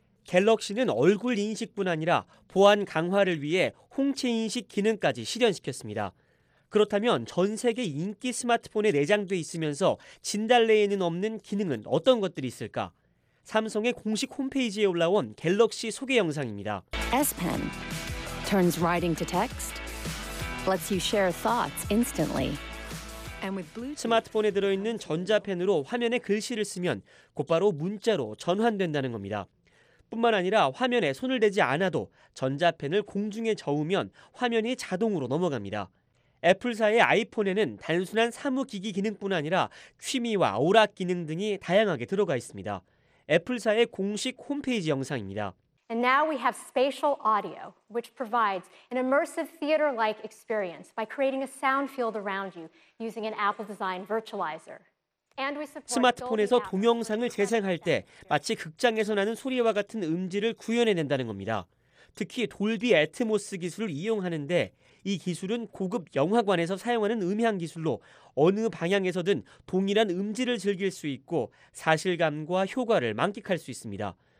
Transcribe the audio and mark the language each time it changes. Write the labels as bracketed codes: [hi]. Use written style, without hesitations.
[ko] 갤럭시는 얼굴 인식뿐 아니라 보안 강화를 위해 홍채 인식 기능까지 실현시켰습니다. 그렇다면 전 세계 인기 스마트폰에 내장돼 있으면서 진달래에는 없는 기능은 어떤 것들이 있을까? 삼성의 공식 홈페이지에 올라온 갤럭시 소개 영상입니다. [en] S Pen turns writing to text, lets you share thoughts instantly. [ko] 스마트폰에 들어있는 전자펜으로 화면에 글씨를 쓰면 곧바로 문자로 전환된다는 겁니다. 뿐만 아니라 화면에 손을 대지 않아도 전자펜을 공중에 저으면 화면이 자동으로 넘어갑니다. 애플사의 아이폰에는 단순한 사무기기 기능뿐 아니라 취미와 오락 기능 등이 다양하게 들어가 있습니다. 애플사의 공식 홈페이지 영상입니다. [en] And now we have spatial audio, which provides an immersive theater-like experience by creating a sound field around you using an Apple-designed virtualizer. And we support [ko] 스마트폰에서 동영상을 재생할 때 마치 극장에서 나는 소리와 같은 음질을 구현해낸다는 겁니다. 특히 돌비 애트모스 기술을 이용하는데 이 기술은 고급 영화관에서 사용하는 음향 기술로 어느 방향에서든 동일한 음질을 즐길 수 있고 사실감과 효과를 만끽할 수 있습니다.